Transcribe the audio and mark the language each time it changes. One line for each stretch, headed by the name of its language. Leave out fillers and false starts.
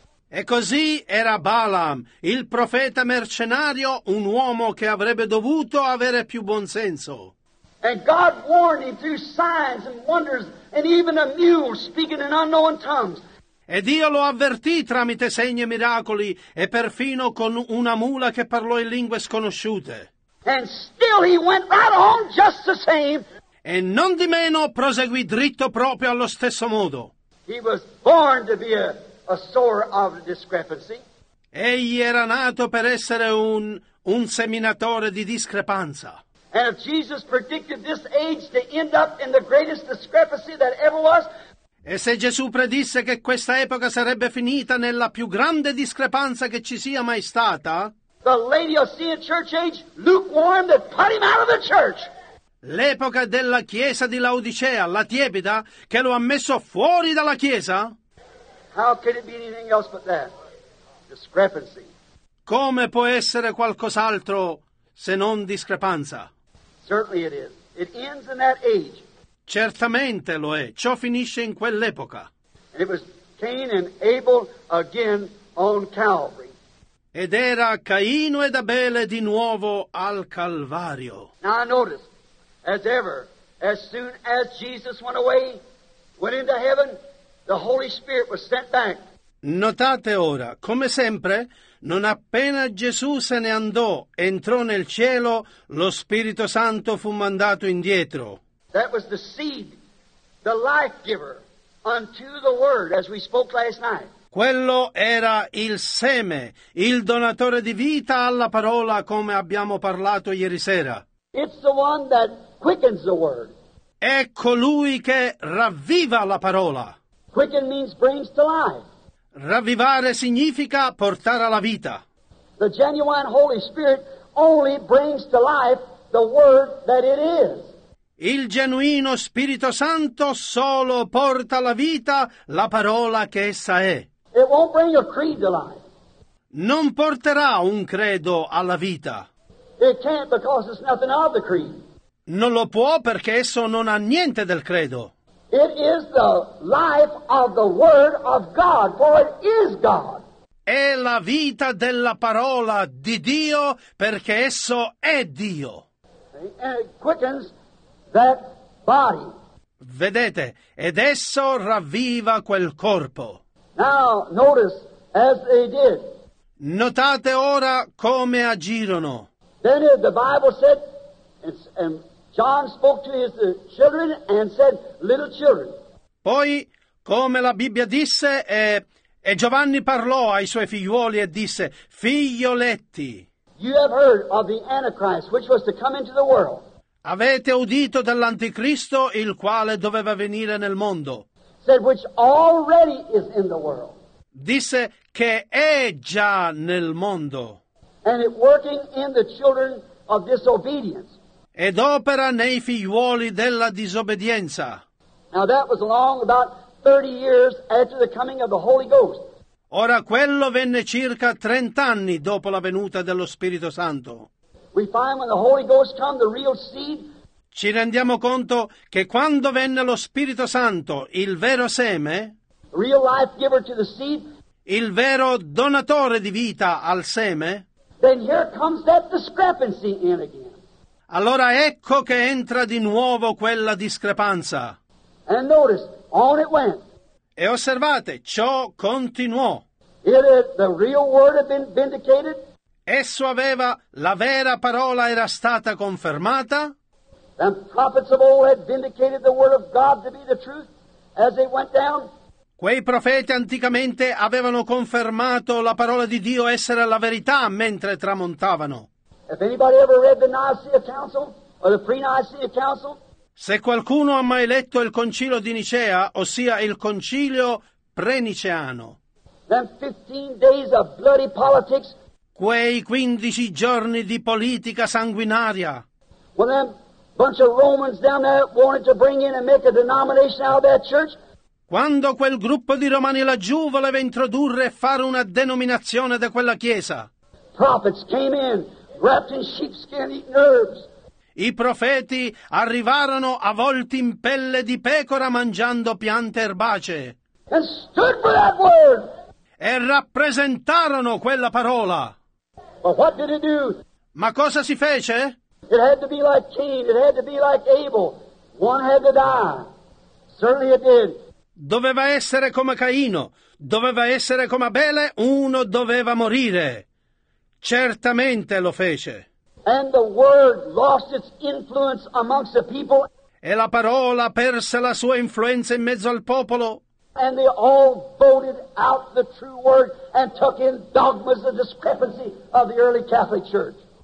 Italian: E così era Balaam, il profeta mercenario, un uomo che avrebbe dovuto avere più buon senso.
English: And God warned him through signs and wonders, and even a mule speaking in unknown tongues.
Italian: E Dio lo avvertì tramite segni e miracoli, e perfino con una mula che parlò in lingue sconosciute.
English: And still he went right on just the same.
Italian: E non di meno proseguì dritto proprio allo stesso modo.
English: He was born to be a sower of discrepancy.
Italian: Egli era nato per essere un seminatore di discrepanza.
English: And if Jesus predicted this age to end up in the greatest discrepancy that ever was.
Italian: E se Gesù predisse che questa epoca sarebbe finita nella più grande discrepanza che ci sia mai stata,
English: the lady will see a church age lukewarm that put him out of the church.
Italian: L'epoca della chiesa di Laodicea, la tiepida, che lo ha messo fuori dalla chiesa?
English: How could it be anything else but that? Discrepancy.
Italian: Come può essere qualcos'altro se non discrepanza?
English: Certainly it is. It ends in that age.
Italian: Certamente lo è. Ciò finisce in quell'epoca.
English: And it was Cain and Abel again on Calvary.
Italian: Ed era Caino ed Abele di nuovo al Calvario.
English: Now I noticed, as ever, as soon as Jesus went away, went into heaven, the Holy Spirit was sent back.
Italian: Notate ora, come sempre, non appena Gesù se ne andò, entrò nel cielo, lo Spirito Santo fu mandato indietro.
English: That was the seed, the life giver, unto the word, as we spoke last night.
Italian: Quello era il seme, il donatore di vita alla parola, come abbiamo parlato ieri sera.
English: It's the one that quickens the word.
Italian: È colui che ravviva la parola.
English: Quicken means brings to life.
Italian: Ravvivare significa portare alla vita.
English: The genuine Holy Spirit only brings to life the word that it is.
Italian: Il genuino Spirito Santo solo porta alla vita la parola che essa è.
English: It won't bring a creed to life.
Italian: Non porterà un credo alla vita.
English: It can't because it's nothing of the creed.
Italian: Non lo può perché esso non ha niente del credo.
English: It is the life of the word of God, for it is God.
Italian: È la vita della parola di Dio perché esso è Dio.
English: And it quickens that body.
Italian: Vedete, ed esso ravviva quel corpo.
English: Now notice as they did.
Italian: Notate ora come agirono.
English: Then the Bible said, and John spoke to his children and said, little children.
Italian: Poi, come la Bibbia disse, e Giovanni parlò ai suoi figliuoli e disse, figlioletti.
English: You have heard of the Antichrist, which was to come into the world.
Italian: Avete udito dell'Anticristo, il quale doveva venire nel mondo.
English: Said, which already is in the world.
Italian: Disse che è già nel mondo.
English: And it working in the children of disobedience.
Italian: Ed opera nei figliuoli della disobbedienza.
English: Now that was long, about 30 years after the coming of the Holy Ghost.
Italian: Ora quello venne circa 30 anni dopo la venuta dello Spirito Santo.
English: We find when the Holy Ghost come, the real seed.
Italian: Ci rendiamo conto che quando venne lo Spirito Santo, il vero seme,
English: real life giver to the seed,
Italian: il vero donatore di vita al seme,
English: then here comes that discrepancy in again.
Italian: Allora ecco che entra di nuovo quella discrepanza.
English: And notice, on it went.
Italian: E osservate, ciò continuò.
English: The real word had been vindicated.
Italian: Esso aveva, la vera parola era stata confermata.
English: The prophets of old had vindicated the word of God to be the truth as they went down.
Italian: Quei profeti anticamente avevano confermato la parola di Dio essere la verità mentre tramontavano.
English: If anybody ever read the Nicaea Council or the pre-Nicaea Council?
Italian: Se qualcuno ha mai letto il Concilio di Nicea, ossia il Concilio pre-Niceano.
English: Then 15 days of bloody politics.
Italian: Quei 15 giorni di politica sanguinaria.
English: Well, then, bunch of Romans down there wanted to bring in and make a denomination out of that church.
Italian: Quando quel gruppo di romani laggiù voleva introdurre e fare una denominazione da quella chiesa.
English: Prophets came in, wrapped in sheepskin, eating herbs.
Italian: I profeti arrivarono avvolti in pelle di pecora mangiando piante erbacee.
English: And stood for that word.
Italian: E rappresentarono quella parola.
English: But what did it do?
Italian: Ma cosa si fece?
English: It had to be like Cain, it had to be like Abel. One had to die. Certainly it did.
Italian: Doveva essere come Caino, doveva essere come Abele, uno doveva morire. Certamente lo fece.
English: And the word lost its influence amongst the people.
Italian: E la parola perse la sua influenza in mezzo al popolo.
English: And they all voted out the true word and took in dogmas the discrepancy of the early Catholic Church.